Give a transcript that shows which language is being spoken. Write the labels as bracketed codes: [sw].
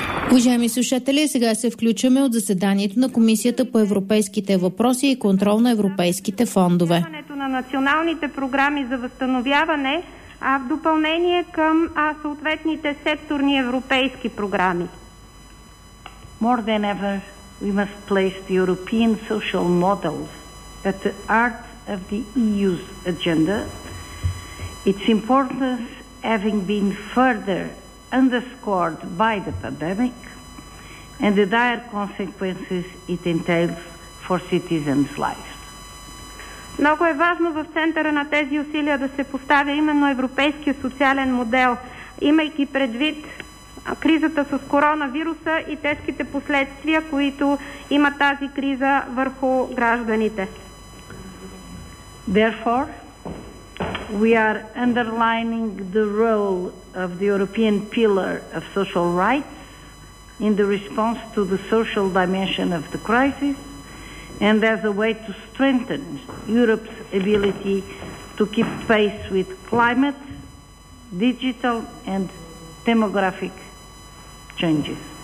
[bg] Уважаеми слушатели, сега се включваме от заседанието на Комисията по европейските въпроси и контрол на европейските фондове. Приемането на националните програми за възстановяване, а в допълнение към съответните секторни европейски програми. [en] More than ever, we must place the European social models at the heart of the EU's agenda. Its importance having been further underscored by the pandemic and the dire consequences it entails for citizens' lives. [bg] Много е важно в центъра на тези усилия да се поставя именно европейския социален модел, имайки предвид кризата с коронавируса и тежките последствия, които има тази криза върху гражданите. [en] Therefore, we are underlining the role of the European pillar of social rights in the response to the social dimension of the crisis and as a way to strengthen Europe's ability to keep pace with climate, digital and demographic changes.